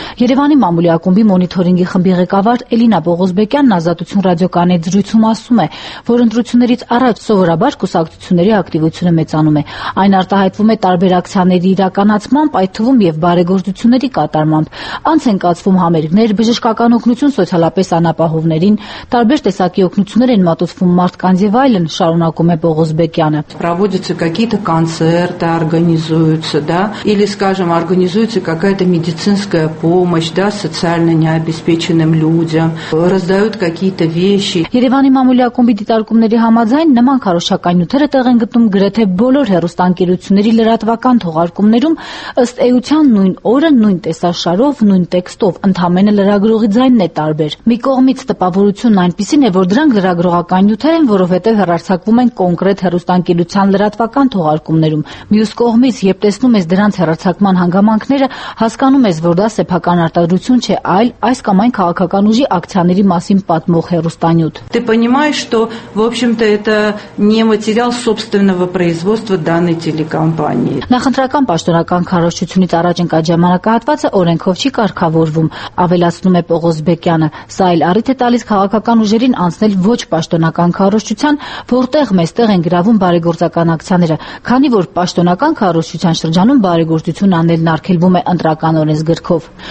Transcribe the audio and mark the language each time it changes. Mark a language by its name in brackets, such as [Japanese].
[Armenian] Երևանի մամուլի ակումբի մոնիթորինգի խմբի ղեկավար Էլինա Բողոսբեկյանն Ազատություն ռադիոկանալի զրույցում ասում է, որ ընտրություններից առաջ սովորաբար կուսակցությունների ակտիվությունը մեծանում է։ Այն արտահայտվում է տարբեր ակցիաների իրականացմամբ, այդ թվում և բարեգործությունների կատարմամբ։ Անց են կացվում համերգներ, բժշկական օգնություն սոցիալապես անապահովներին, տարբեր տեսակի օգնություններ են մատուցվում մարդկանց և այլն, շարունակում է Բողոսբեկյանը։ [Russian] Проводятся какие-то концерты, организуются, да, или, скажем, организуется какая-то медицинская помощь, да, социально необеспеченным людям, раздают какие-то вещи։ [Armenian] Երևանի մամուլի ակումբի դիտարկումների համաձայն նման քարոշական նյութերը տեղ են գտնում թե բոլոր հեռուստաընկերությունների լրատվական թողարկումներում, ըստ էության նույն օրը նույն տեսաշարով, նույն տեքստով ընդհանրապես լրագրողի ձայնն է տարբեր։ Մի կողմից տպավորությունն այնպիսին է, որ դրանք լրագրողական նյութեր են, որովհետև հեռարձակվում են կոնկրետ հեռուստաընկերության լրատվական թողարկումներում։ Մյուս կողմից, երբ տեսնում ես դրանց հեռարձակման հանգամանքները, հասկանում ես, որ դա սեփական արտադրություն չէ, այլ այս կամ այն քաղաքական ուժի ակցիաների մասին պատմող հեռուստանյութ։ [Russian] Ты понимаешь, что, в общем-то, это не материал собственного производства данной телекомпании. [Armenian] Նախընտրական պաշտոնական քարոշչությունից առաջ ընկած ժամանակահատվածը օրենքով չի կարգավորվում, ավելացնում է Պողոսբեկյանը։ Սա էլ առիթ է տալիս քաղաքական ուժերին անցնել ոչ պաշտոնական քարոշչության, որտեղ մեզտեղ են գրավում բարեգործական ակցիաները, քանի որ պաշտոնական քարոշչության շրջանում բարեգործություն անելն արգելվում է ընտրական օրենսգրքով։